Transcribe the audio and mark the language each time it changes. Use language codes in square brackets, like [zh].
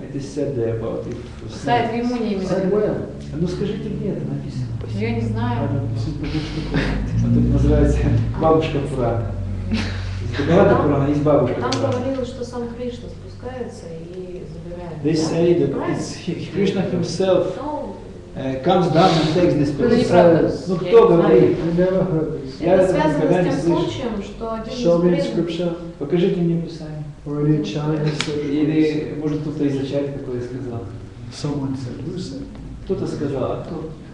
[en] It is said there about it. [ru] Кусает в Ямуне именно. Ну скажите, где это написано? Я не знаю. Вот это называется бабушка Пурана. Бабушка Пурана, есть бабушка Пурана. Там говорилось, что сам Кришна спускается и забирает. [en] They say that it's Krishna himself comes down and takes this person. [ru] Ну кто говорит? [en] I never heard this. [ru] Это связано с тем случаем, что один из преданных... Покажите мне писание. [en] Already a child has said. [ru] Или может кто-то из начальника такое сказал. [en] Someone said, who said? [ru] Кто-то сказал, а кто?